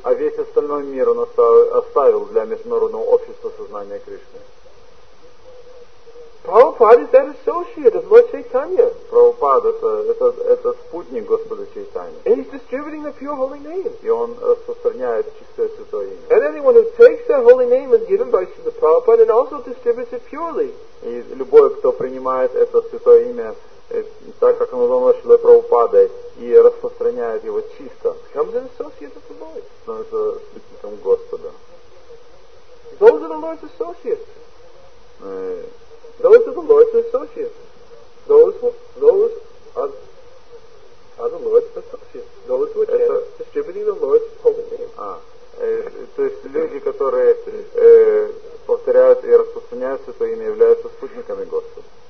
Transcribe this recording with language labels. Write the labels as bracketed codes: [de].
[ru] А весь остальной мир он оставил для Международного общества сознания Кришны. [en] Prabhupada is that associate of Lord Chaitanya. [ru] Prabhupada это спутник Господа Чайтанья. [en] And he's distributing the pure holy name. [ru] И он распространяет чистое святое имя. [en] And anyone who takes that holy name is given by Srila Prabhupada and also distributes it purely. [ru] И любой, кто принимает это святое имя так, как оно дано Шрилой Прабхупадой, и распространяет его чисто, [en] becomes an associate of the Lord. [ru] Становится спутником Господа. [en] Those are the Lord's associates. Those are the Lord's associates. Those are the Lord's associates. Those who are distributing the Lord's holy name. [ru] То есть люди, которые повторяют и распространяют Святое Имя, являются спутниками Господа.